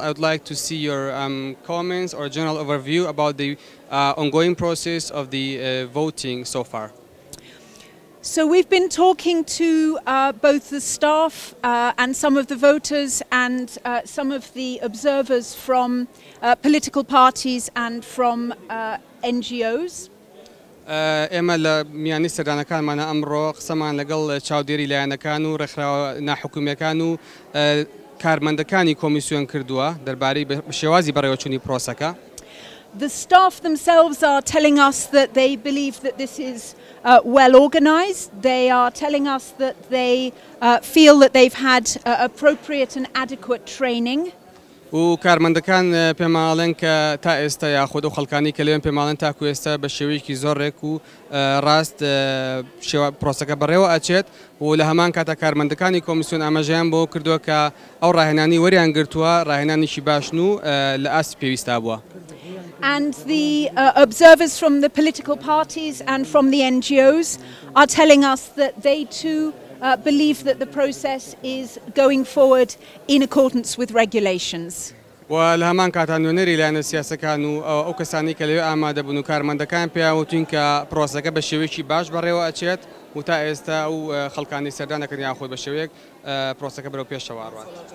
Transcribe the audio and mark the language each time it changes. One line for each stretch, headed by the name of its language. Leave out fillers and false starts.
English: I would like to see your comments or general overview about the ongoing process of the voting so far. So we've been talking to both the staff and some of the voters and some of the observers from political parties and from NGOs.
Central Kurdish: ئێمە لە میانی سەردانەکانمانە ئەمڕۆ قسەمان لەگەڵ چاودێری لایەنەکان و ڕێکخراوە ناحکومیەکان و کارمەندەکانی کۆمیسیۆن کردووە دەربارەی شێوازی بەڕێوەچوونی پرۆسەکە.
English: The staff themselves are telling us that they believe that this is well organized. They are telling us that they feel that they've had appropriate and adequate training.
Central Kurdish: و کارمەندەکان پێمان ئەڵێن کە تا ئێستا یاخود و خەڵکانی کە لێوێن پێمان ئەڵێن تاکو ئێستا بە شێوەیەکی زۆر ڕێک و ڕاست پرۆسەکە بەڕێوە ئەچێت و لە هەمان کاتا کارمەندەکانی کۆمیسیۆن ئاماژەیان بۆ کردووە کە ئەو ڕاهێنانی وەریان گرتووە ڕاهێنانیشی باشن و لە ئاستی پێویستا بووە.
English: And the observers from the political parties and from the NGOs are telling us that they too believe that the process is going forward in accordance with regulations.
Central Kurdish: Well, هەمان کاتە نوێنەری لایەنە سیاسەکان و ئەو کەسانی کە لەوێ ئامادە بن و کارمەندەکان پێیاوتوین کە پرۆسەکە بە شێوەیەکی باش بەڕێوە ئەچێت و تا ئێستا ئەو خەڵکانی سەردانەکەن یاخود بە شێوەیەك پرۆسەکە بەرەو پێشەوە ڕوات.